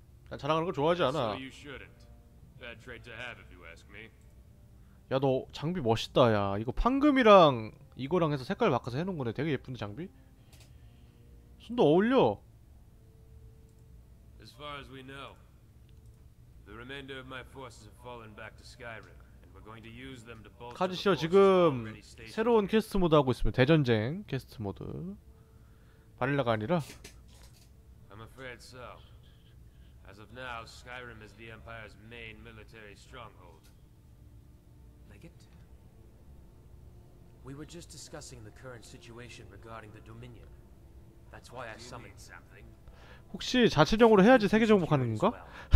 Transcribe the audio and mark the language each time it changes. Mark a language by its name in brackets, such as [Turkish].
[Korean] 난 자랑하는 걸 좋아하지 않아. 야 너 장비 멋있다. 야 이거 황금이랑 이거랑 해서 색깔 바꿔서 해놓은 거네. 되게 예쁜데 장비? 손도 어울려. [English] As far as we know, the remainder of my forces have fallen back to Skyrim, and we're going to use them to bolster. [Korean] 카즈시오 지금 새로운 퀘스트 모드 하고 있습니다. 대전쟁 퀘스트 모드. 바닐라가 아니라. [English] I'm afraid so. As of now, Skyrim is the Empire's main military stronghold. Leggett, we were just discussing the current situation regarding the Dominion. That's why I summoned something. [Korean] 혹시 자체적으로 해야지 세계 정복하는 건가?